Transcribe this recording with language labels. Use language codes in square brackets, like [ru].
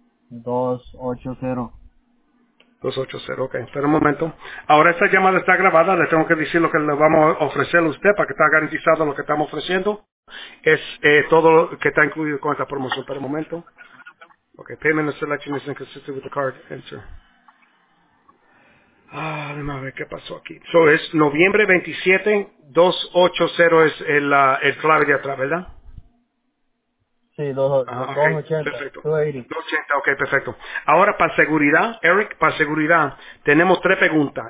[es] 280. 280, ok, espera un momento. Ahora esta llamada está grabada, le tengo que decir lo que le vamos a ofrecer a usted para que está garantizado lo que estamos ofreciendo. Es todo lo que está incluido con esta promoción. Espera un momento. [en] Ok, payment and selection is inconsistent with the card. Enter. [es] Ah, déjame ver qué pasó aquí. So, es noviembre 27, 280 es el clave de atrás, ¿verdad? Sí. 280, ok, perfecto. Ahora, para seguridad, Eric, para seguridad, tenemos tres preguntas.